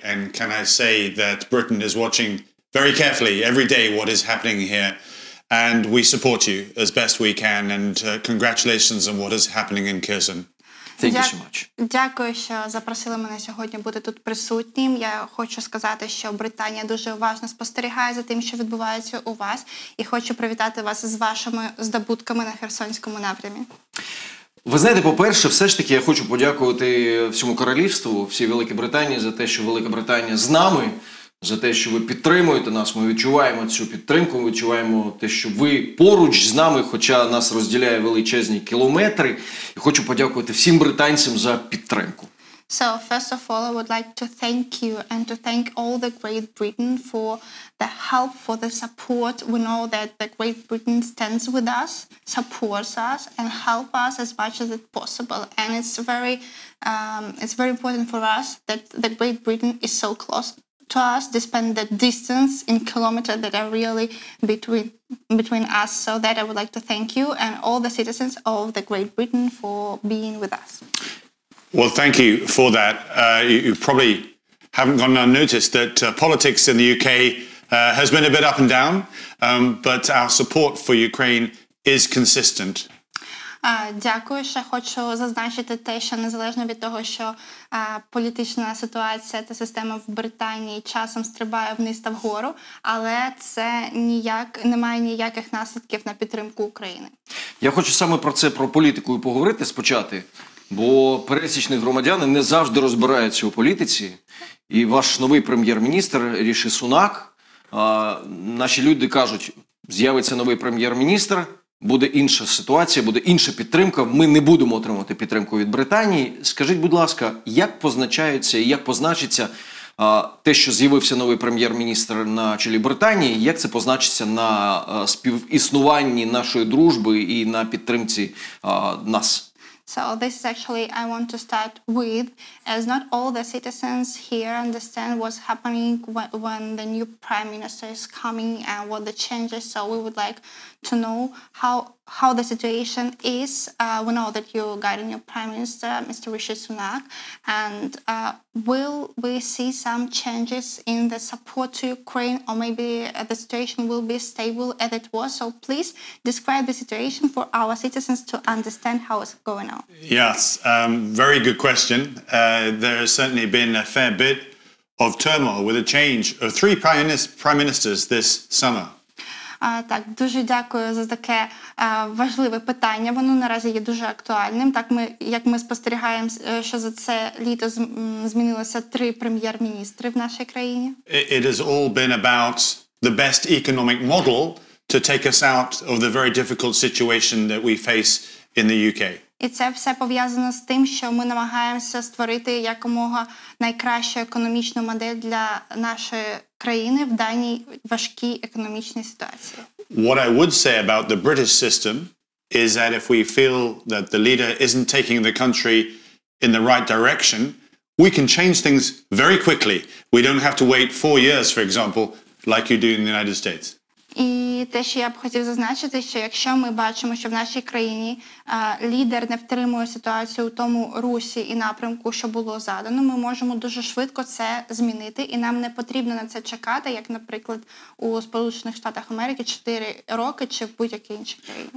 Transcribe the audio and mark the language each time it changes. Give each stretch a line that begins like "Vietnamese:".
English: And can I say that Britain is watching very carefully every day what is happening here. And we support you as best we can, and congratulations on what is happening in Kherson. Thank you so much.
Ukrainian: Дякую, що запросили мене сьогодні бути тут присутнім. Я хочу сказати, що Британія дуже уважно спостерігає за тим, що відбувається у вас, і хочу привітати вас з вашими здобутками на Херсонському напрямі. Ви знаєте, по-перше, все ж таки я хочу подякувати всьому королівству, всій Великій Британії за те, що Велика Британія з нами. За те, що ви підтримуєте нас, ми відчуваємо цю підтримку, ми відчуваємо те, що ви поруч з нами, хоча нас розділяє величезні кілометри. І хочу подякувати всім британцям за підтримку.
English: So, first of all, I would like to thank you and to thank all the Great Britain for the help, for the support. We know that the Great Britain stands with us, supports us and help us as much as it possible. And it's very important for us that the Great Britain is so close to us, despite the distance in kilometers that are really between us. So that I would like to thank you and all the citizens of the Great Britain for being with us. Well, thank you for that. You probably haven't gone unnoticed that politics in the UK has been a bit up and down, but our support for Ukraine is consistent.
Ukrainian: Дякую, ще хочу зазначити те, що незалежно від того, що політична ситуація та система в Британії часом стрибає вниз та вгору, але це ніяк не має ніяких наслідків на підтримку України. Я хочу саме про це, про політику, і поговорити спочатку, бо пересічні громадяни не завжди розбираються у політиці, і ваш новий прем'єр-міністр Ріші Сунак, наші люди кажуть, з'явиться новий прем'єр-міністр, буде інша ситуація, буде інша підтримка. Ми не будемо отримувати підтримку від Британії. Скажіть, будь ласка, як позначається і як позначиться те, що з'явився новий прем'єр-міністр на чолі Британії, як це позначиться на співіснуванні нашої дружби і на підтримці нас?
English: So this is actually I want to start with, as not all the citizens here understand what's happening when the new prime minister is coming and what the changes. So we would like to know how the situation is. We know that you got a new prime minister, Mr. Rishi Sunak, and will we see some changes in the support to Ukraine, or maybe the situation will be stable as it was? So please describe the situation for our citizens to understand how it's going on. Yes, very good question. There has certainly been a fair bit of turmoil with a change of three prime ministers this summer.
Ukrainian: Так, дуже дякую за таке важливе питання. Воно наразі є дуже актуальним. Так, ми спостерігаємо, що за це літо змінилося три прем'єр-міністри в нашій країні.
English: It has all been about the best economic model to take us out of the very difficult situation that we face in the UK.
Ukrainian: І це все пов'язано з тим, що ми намагаємося створити якомога найкращу економічну модель для нашої країни в даній важкій економічній ситуації.
English: What I would say about the British system is that if we feel that the leader isn't taking the country in the right direction, we can change things very quickly. We don't have to wait 4 years, for example, like you do in the United States.
Ukrainian: І те, що я б хотів зазначити, що якщо ми бачимо, що в нашій країні лідер не втримує ситуацію у тому русі і напрямку, що було задано, ми можемо дуже швидко це змінити, і нам не потрібно на це чекати, як, наприклад, у Сполучених Штатах Америки 4 роки чи в будь-якій іншій країні.